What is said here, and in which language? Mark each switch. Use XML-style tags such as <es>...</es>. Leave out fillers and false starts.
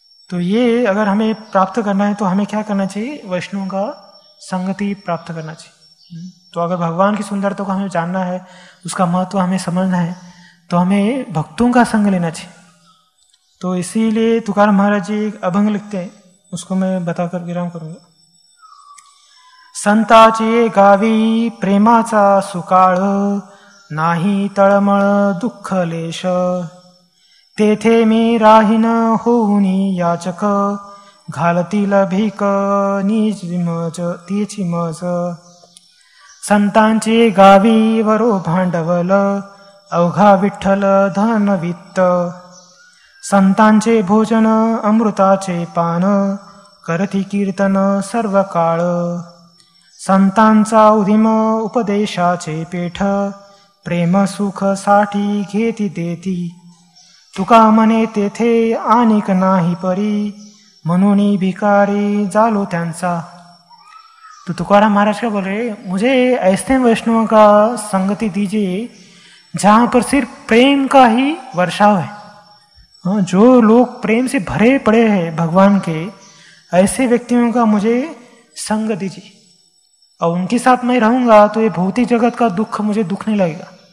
<hi>तो ये अगर हमें प्राप्त करना है तो हमें क्या करना चाहिए? वैष्णव का संगति प्राप्त करना चाहिए। तो अगर भगवान की सुंदरता को हमें जानना है, उसका महत्व हमें समझना है, तो हमें भक्तों का संग लेना चाहिए। तो इसीलिए तुकार महाराज जी एक अभंग लिखते हैं, उसको मैं बताकर विराम करूंगा।</hi> <mr>संताचे गावी प्रेमाचा सुकाळ, नाही तळमळ दुःख लेश, तेथे मी राहीन होऊनी याचक, घालतील भीक निजी मज। संतांची गावी वरो भांडवल, अवघा विठ्ठल धन वित्त, संतांचे भोजन अमृताचे पान, करती कीर्तन सर्व काळ, संतांचा उदिम उपदेशाचे पेठ, प्रेम सुख साठी घेती देती, तुका मने तेथे आनिक नाही परी, मनोनी भिकारी जालो त्यांचा।</mr> <hi>तो तुकाराम महाराज का बोल रहे, मुझे ऐसे वैष्णव का संगति दीजिए जहाँ पर सिर्फ प्रेम का ही वर्षा है, जो लोग प्रेम से भरे पड़े हैं भगवान के, ऐसे व्यक्तियों का मुझे संग दीजिए और उनके साथ मैं रहूँगा तो ये भौतिक जगत का दुख मुझे दुख नहीं लगेगा।</hi>